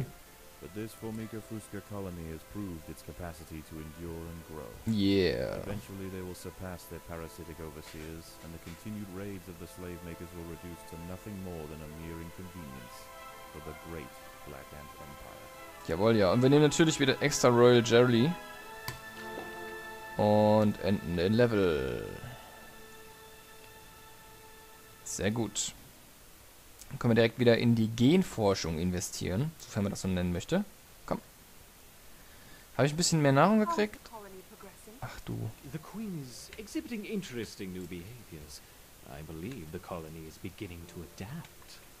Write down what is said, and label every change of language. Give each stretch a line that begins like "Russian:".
German: Schön.
English: But this Formica Fusca colony has proved its capacity to endure and grow. Yeah. Eventually, they will surpass their parasitic overseers, and the continued raids of the slave makers will reduce to nothing more than a mere inconvenience for the great. Black Ant Empire.
German: Jawohl, ja. Und wir nehmen natürlich wieder extra Royal Jelly. Und enden den Level. Sehr gut. Dann können wir direkt wieder in die Genforschung investieren, sofern man das so nennen möchte. Komm. Habe ich ein bisschen mehr Nahrung gekriegt? Ach du.
English: The Queen is exhibiting interesting new behaviors. I believe the colony is beginning to adapt.